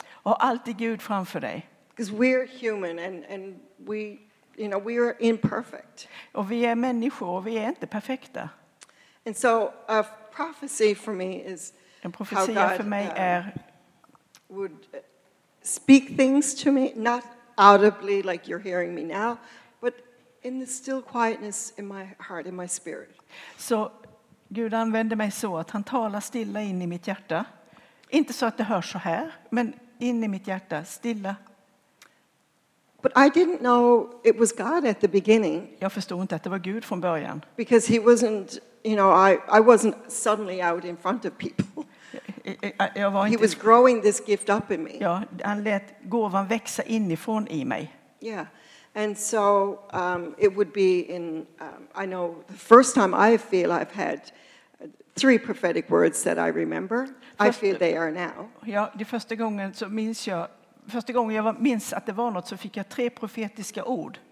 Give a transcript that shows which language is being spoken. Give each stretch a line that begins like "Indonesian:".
Swedish: Och alltid Gud framför dig.
English: Because we're human and we, you know, we are imperfect.
Swedish: Och vi är människor och vi är inte perfekta.
English: And so a prophecy for me is
Swedish: en profetia för mig är
English: would speak things to me, not audibly like you're hearing me now, but in the still quietness in my heart, in my spirit.
Swedish: Så Gud använder mig så att han talar stilla in i mitt hjärta. Inte så att det hörs så här, men in i mitt hjärta, stilla.
English: But I didn't know it was God at the beginning.
Swedish: Jag förstod inte att det var Gud från början.
English: Because he wasn't, you know, I wasn't suddenly out in front of people. He was growing this gift up in me.
Swedish: Ja, han lät gåvan växa inifrån i mig.
English: Yeah. And so it would be in I know the first time I feel I've had three prophetic words that I remember. I feel they are now.
Swedish: Ja, det första gången så minns jag första gången jag minns att det var något så fick jag tre profetiska ord.